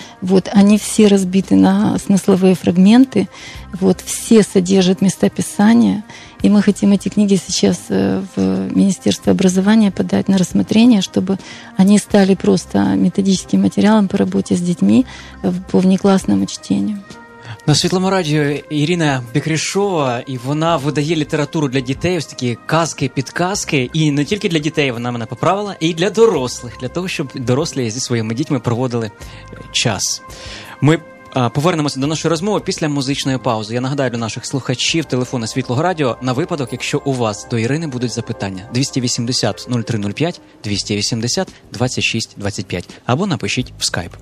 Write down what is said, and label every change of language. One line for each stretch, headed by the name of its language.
Russian: Вот, они все разбиты на смысловые фрагменты. Вот, все содержат места Писания. И мы хотим эти книги сейчас в Министерство образования подать на рассмотрение, чтобы они стали просто методическим материалом по работе с детьми по внеклассному чтению.
Ukrainian: На Світлому радіо Ірина Бекрішова, і вона видає літературу для дітей, ось такі казки, підказки, і не тільки для дітей, вона мене поправила, і для дорослих, для того, щоб дорослі зі своїми дітьми проводили час. Ми повернемося до нашої розмови після музичної паузи. Я нагадаю для наших слухачів телефони Світлого радіо на випадок, якщо у вас до Ірини будуть запитання. 280-0305, 280-26-25, або напишіть в Skype.